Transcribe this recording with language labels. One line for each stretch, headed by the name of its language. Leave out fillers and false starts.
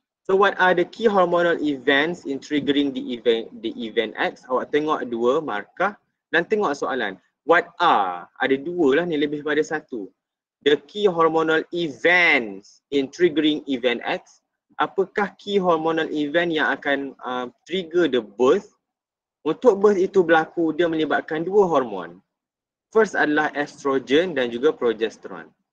English: So what are the key hormonal events in triggering the event X?
Malay: Awak tengok dua markah dan tengok soalan.
English: What are?
Malay: Ada dua lah ni, lebih pada satu.
English: The key hormonal events in triggering event X.
Malay: Apakah
English: key hormonal event
Malay: yang akan
English: trigger the birth?
Malay: Untuk birth itu berlaku, dia melibatkan dua hormon. First adalah estrogen dan juga progesterone.